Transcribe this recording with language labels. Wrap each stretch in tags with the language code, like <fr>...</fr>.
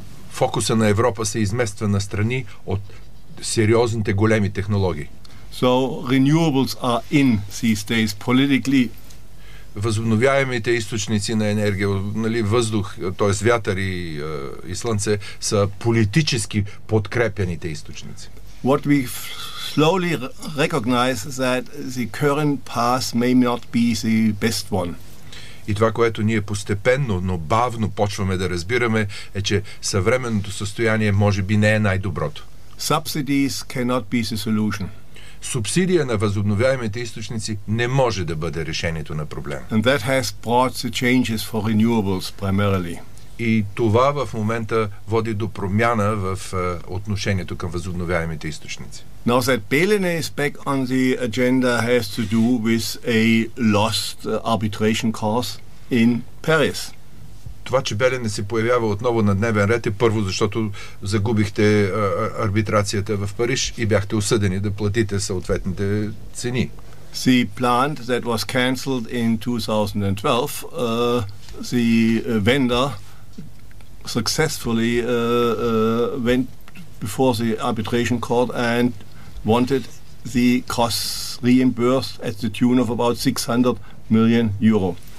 <bg>Фокуса на Европа се измества на страни от сериозните големи технологии.</bg> <en>So renewables are in these days politically.</en> <bg>Възобновяемите източници на енергия, нали, въздух, т.е. вятър и слънце, са политически подкрепяните източници.</bg> <en>What we slowly recognize that the current path may not be the best one.</en> <bg>И това, което ние постепенно, но бавно почваме да разбираме, е, че съвременното състояние може би не е най-доброто.</bg> <en>Subsidies cannot be the solution.</en> <bg>Субсидия на възобновяемите източници не може да бъде решението на проблема.</bg> <en>And that has brought the changes for renewables primarily.</en> <bg>И това в момента води до промяна в отношението към възобновяемите източници.</bg> <en>Now that Belene is back on the agenda has to do with a lost arbitration course in Paris.</en> <bg>Това, че Белене се появява отново на дневен ред, е първо, защото загубихте арбитрацията в Париж и бяхте осъдени да платите съответните цени.</bg> <en>The plant that was cancelled in 2012, the vendor successfully went before the arbitration court and wanted the costs reimbursed at the tune of about 600 million euro.</en>